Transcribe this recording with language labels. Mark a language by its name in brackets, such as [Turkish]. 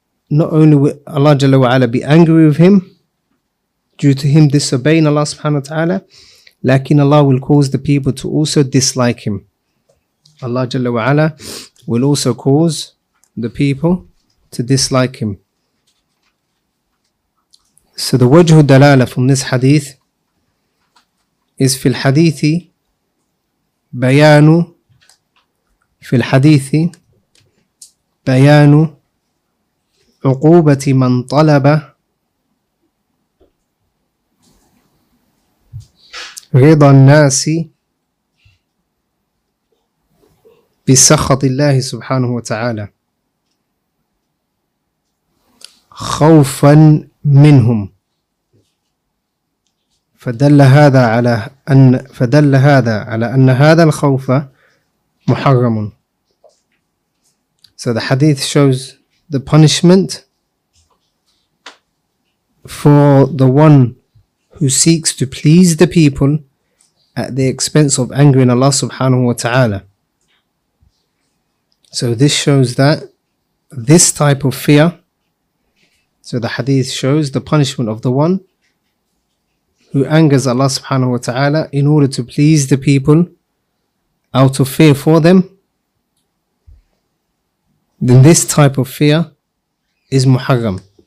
[English] Not only will Allah jalla wa ala be angry with him due to him disobeying Allah subhanahu wa ta'ala, lakin Allah will cause the people to also dislike him. Allah jalla wa ala will also cause the people to dislike him. So the wajhu dalala from this hadith is [Arabic] في الحديث بيان في الحديث بيان عقوبة من طلب رضا الناس بسخط الله سبحانه وتعالى خوفا منهم. فدل هذا على أن هذا الخوف محرم. [English] So the hadith shows the punishment for the one who seeks to please the people at the expense of angering Allah subhanahu wa ta'ala. So this shows that this type of fear, so the hadith shows the punishment of the one who angers Allah subhanahu wa ta'ala in order to please the people out of fear for them, then this type of fear is muharram.